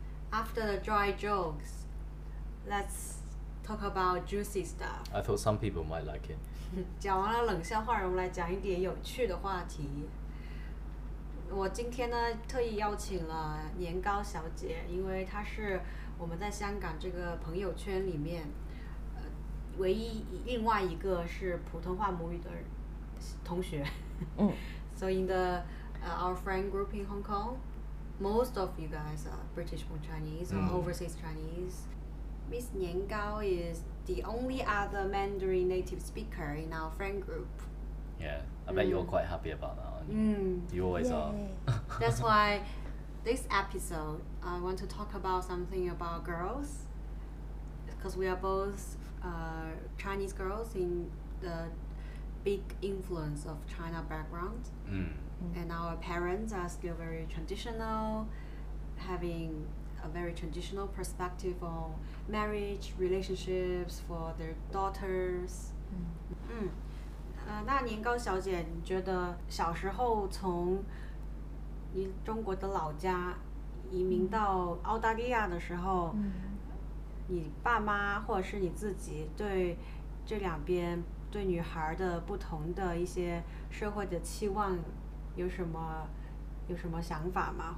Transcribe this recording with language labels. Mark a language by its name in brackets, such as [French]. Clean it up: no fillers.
[English] After the dry jokes, let's talk about juicy stuff. I thought some people might like it. [Chinese] 讲完了冷笑话，我们来讲一点有趣的话题。我今天呢特意邀请了年糕小姐，因为她是我们在香港这个朋友圈里面，唯一另外一个是普通话母语的同学。 [English] So in the our friend group in Hong Kong, most of you guys are British-born Chinese or overseas Chinese. Miss Nian Gao is the only other Mandarin native speaker in our friend group. Yeah, I bet you're quite happy about that, aren't you? You always are. That's why this episode, I want to talk about something about girls, because we are both Chinese girls in the big influence of China background. And our parents are still very traditional, having a very traditional perspective on marriage, relationships for their daughters. [Chinese] 那年糕小姐，你觉得小时候从你中国的老家移民到澳大利亚的时候，你爸妈或者是你自己对这两边对女孩的不同的一些社会的期望有什么想法吗？